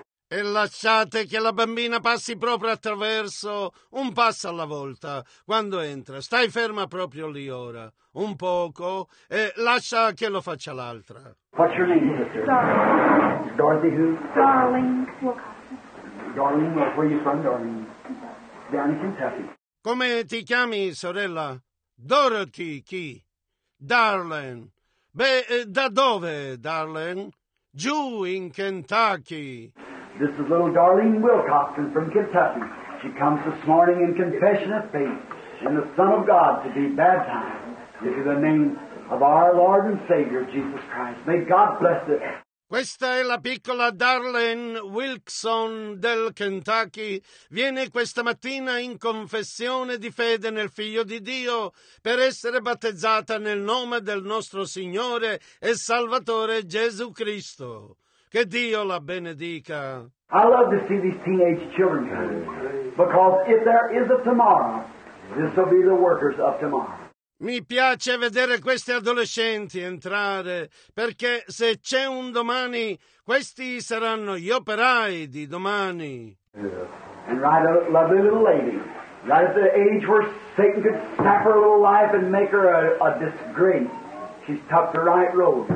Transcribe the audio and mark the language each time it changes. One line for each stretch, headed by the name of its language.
Italian: E lasciate che la bambina passi proprio attraverso, un passo alla volta, quando entra. Stai ferma proprio lì ora, un poco, e lascia che lo faccia l'altra.
English: What's your name, sister? Darling. Dorothy who? Darling. Darling, where are you from, darling? Down in Kentucky.
Italian: Come ti chiami, sorella? Dorothy, chi? Darling. Beh, da dove, darling? Giù in Kentucky.
English: This is little Darlene Wilcoxon from Kentucky. She comes this morning in confession of faith in the Son of God to be baptized into the name of our Lord and Savior, Jesus Christ. May God bless it.
Italian: Questa è la piccola Darlene Wilkson del Kentucky. Viene questa mattina in confessione di fede nel Figlio di Dio per essere battezzata nel nome del nostro Signore e Salvatore Gesù Cristo. Che Dio la benedica.
English: I love to see these teenage children come, because if there is a tomorrow, this will be the workers of tomorrow.
Italian: Mi piace vedere questi adolescenti entrare, perché se c'è un domani, questi saranno gli operai di domani.
English: Yeah. And right, a lovely little lady, right at the age where Satan could snap her little life and make her a disgrace, she's tucked the right road.